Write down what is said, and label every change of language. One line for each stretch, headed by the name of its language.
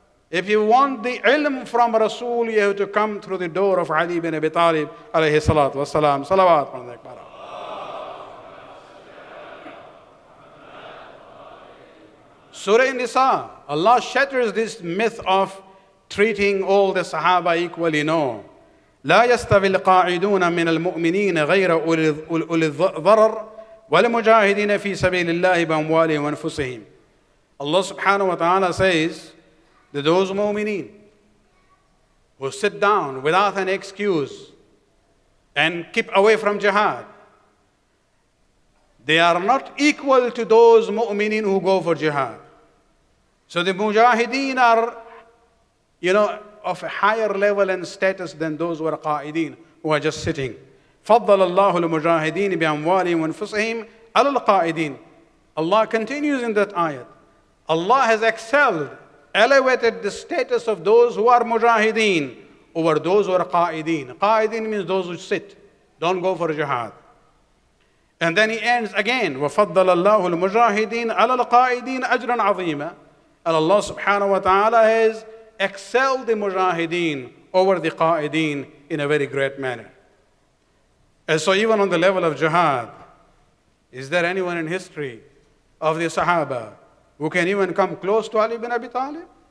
English: If you want the ilm from Rasul, you have to come through the door of Ali bin Abi Talib, alayhi salatu wasalam. Salawat. Surah Nisa, Allah shatters this myth of treating all the Sahaba equally. No.
Arabic: لا يستوي القاعدون من المؤمنين غير أولي الضرر والمجاهدين في سبيل الله بأموالهم وأنفسهم.
English: Allah subhanahu wa ta'ala says that those mu'mineen who sit down without an excuse and keep away from jihad, they are not equal to those mu'mineen who go for jihad. So the mujahideen are, you know, of a higher level and status than those who are qa'ideen, who are just sitting.
Arabic: فضل الله المجاهدين بأموالهم وأنفسهم على القائدين.
English: Allah continues in that ayat. Allah has excelled, elevated the status of those who are mujahideen over those who are qa'ideen. Qa'ideen means those who sit, don't go for jihad. And then he ends again,
Arabic: وَفَضَّلَ اللَّهُ الْمُجَاهِدِينَ عَلَى الْقَائِدِينَ أَجْرًا عَظِيمًا.
English: And Allah subhanahu wa ta'ala has excelled the mujahideen over the qa'ideen in a very great manner. And so even on the level of jihad, is there anyone in history of the Sahaba who can even come close to Ali ibn Abi Talib?